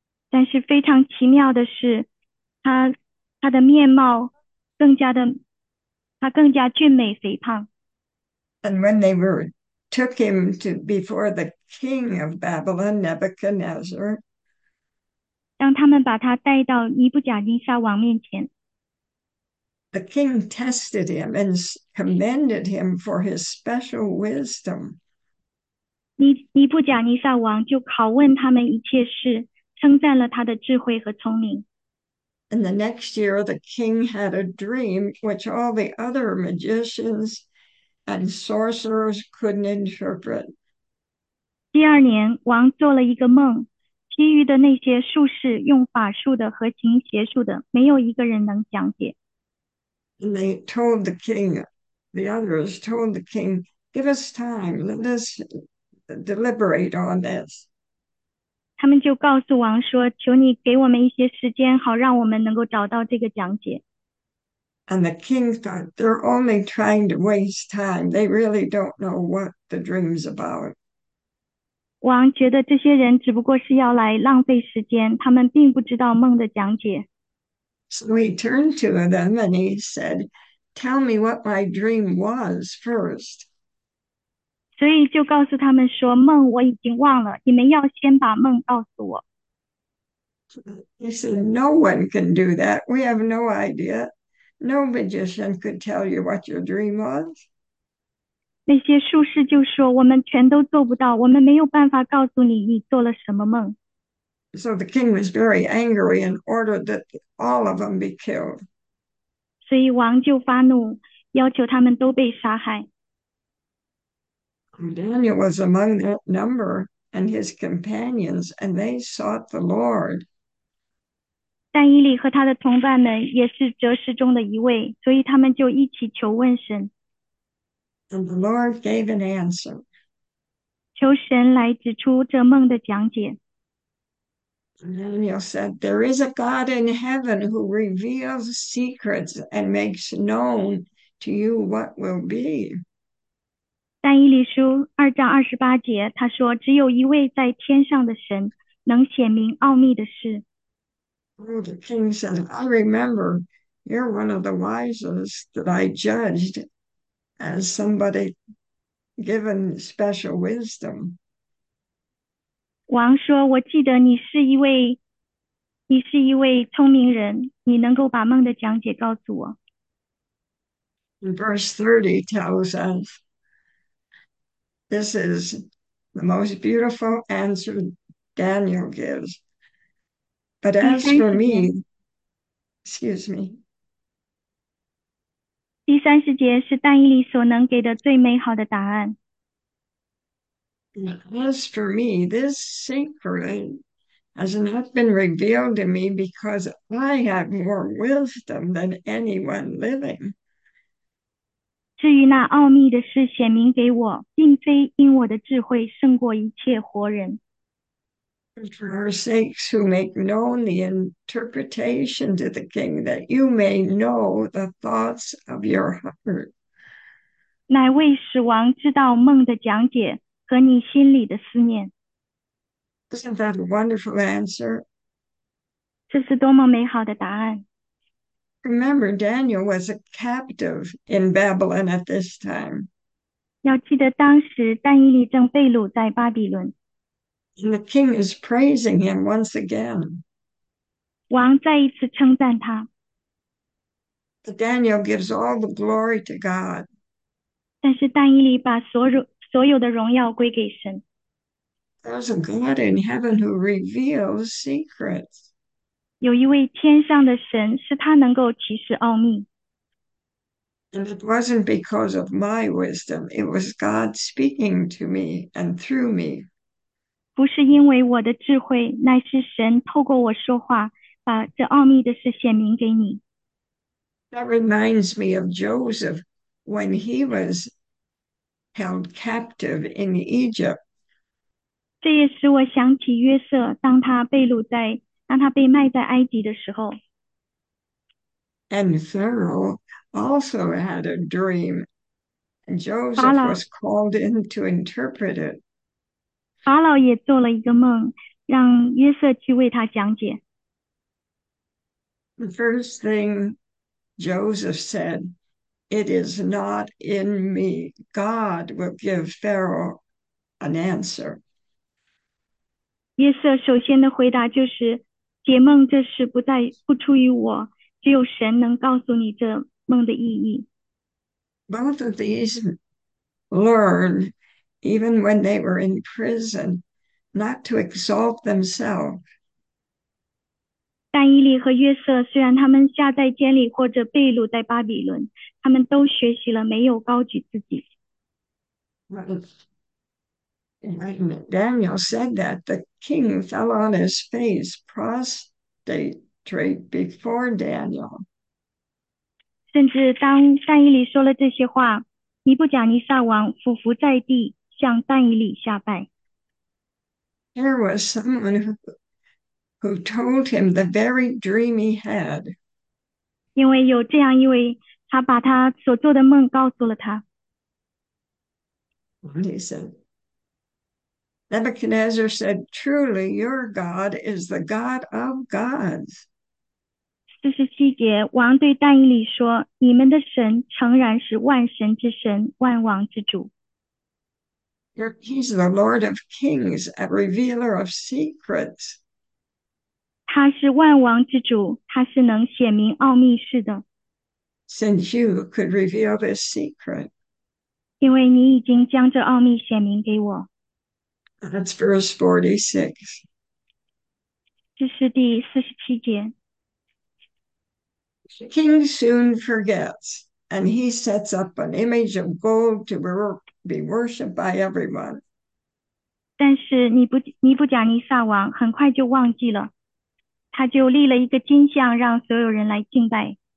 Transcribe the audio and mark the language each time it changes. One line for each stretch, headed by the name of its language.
Chinese: 但是非常奇妙的是，他的面貌更加的，他更加俊美肥胖。
English: And when they were took him to before the king of Babylon, Nebuchadnezzar,
Chinese: 当他们把他带到尼布甲尼撒王面前，
English: The king tested him and commended him for his special wisdom.
Chinese: 尼布甲尼撒王就拷问他们一切事，称赞了他的智慧和聪明。
English: And the next year, the king had a dream which all the other magicians and sorcerers couldn't interpret.
Chinese: 第二年，王做了一个梦。其余的那些术士用法术的和琴邪术的，没有一个人能讲解。
English: And they told the king, the others told the king, give us time, let us deliberate on this.
Chinese: 他们就告诉王说："求你给我们一些时间，好让我们能够找到这个讲解。"
English: And the king thought, they're only trying to waste time. They really don't know what the dream's about.
Chinese: 王觉得这些人只不过是要来浪费时间，他们并不知道梦的讲解。
English: So he turned to them and he said, Tell me what my dream was first.
Chinese: 所以就告诉他们说，梦我已经忘了，你们要先把梦告诉我。
English: He said, No one can do that. We have no idea. No magician could tell you what your dream was.
Chinese: 那些术士就说：“我们全都做不到，我们没有办法告诉你你做了什么梦。
English: So the king was very angry and ordered that all of them be killed.
Chinese: ”所以王就发怒，要求他们都被杀害。
English: Daniel was among that number and his companions, and they sought the Lord.
Chinese: 但伊利和他的同伴们也是哲士中的一位，所以他们就一起求问神。
English: And the Lord gave an answer.
Chinese: 求神来指出这梦的讲解。
English: Daniel said, "There is a God in heaven who reveals secrets and makes known to you what will be."
Chinese: 但以理书2章28节，他说：“只有一位在天上的神，能显明奥秘的事。
English: Oh, the king said, "I remember you're one of the wisest that I judged as somebody given special wisdom."
Chinese: ”王说：“我记得你是一位聪明人，你能够把梦的讲解告诉我。”
English: Verse 30 tells us this is the most beautiful answer Daniel gives. But
Chinese: 第
English: as
Chinese: 三
English: for
Chinese: 十节，
English: me, excuse me.
Chinese: 是但以理所能给的最美好的答案。
English: As for me, this secret has not been revealed to me because I have more wisdom than anyone living.
Chinese: 至于那奥秘的事显明给我，并非因我的智慧胜过一切活人。
English: For sakes who make known the interpretation to the king, that you may know the thoughts of your heart.
Chinese: 乃为使王知道梦的讲解和你心里的思念。
English: Isn't that a wonderful answer?
Chinese: 这是多么美好的答案。
English: Remember, Daniel was a captive in Babylon at this time.
Chinese: 要记得当时但以理正被掳在巴比伦。
English: And the king is praising him once again.
Chinese: 王再一次称赞他。
English: But Daniel gives all the glory to God.
Chinese: 但是但以理把所有的荣耀归给神。
English: There's a God in heaven who reveals secrets.
Chinese: 有一位天上的神，是他能够启示奥秘。
English: And it wasn't because of my wisdom, it was God speaking to me and through me.
Chinese: 不是因为我的智慧，乃是神透过我说话，把这奥秘的事显明给你。
English: That reminds me of Joseph when he was held captive in Egypt.
Chinese: 这也使我想起约瑟，当他被卖在埃及的时候。
English: And Pharaoh also had a dream, and
Chinese: 法
English: Joseph
Chinese: 老，
English: was called in to interpret it.
Chinese: 法老也做了一个梦，让约瑟去为他讲解。
English: The first thing Joseph said, "It is not in me. God will give Pharaoh an answer."
Chinese: 约瑟首先的回答就是：“解梦这事不出于我，只有神能告诉你这梦的意义。
English: Both of these learned, even when they were in prison, not to exalt themselves.
Chinese: ”但以理和约瑟虽然他们下在监里或者被掳在巴比伦，他们都学习了没有高举自己。
English: When Daniel said that, the king fell on his face, prostrate before Daniel.
Chinese: 甚至当但以理说了这些话，尼布甲尼撒王俯伏在地，向但以理下拜。
English: There was someone who told him the very dream he had.
Chinese: 因为有这样一位，他把他所做的梦告诉了他。
English: And he said, Nebuchadnezzar said, "Truly, your God is the God of gods."
Chinese: 47节，王对但以理说：“你们的神诚然是万神之神，万王之主。
English: He's the Lord of kings, a revealer of secrets.
Chinese: ”他是万王之主，他是能显明奥秘事的。
English: since you could reveal this secret.
Chinese: 因为你已经将这奥秘显明给我。
English: That's verse 46.
Chinese: 这是第47节。
English: The king soon forgets, and he sets up an image of gold to be worshipped by everyone.
Chinese: 但是尼布甲尼撒王很快就忘记了，他就立了一个金像让所有人来敬拜。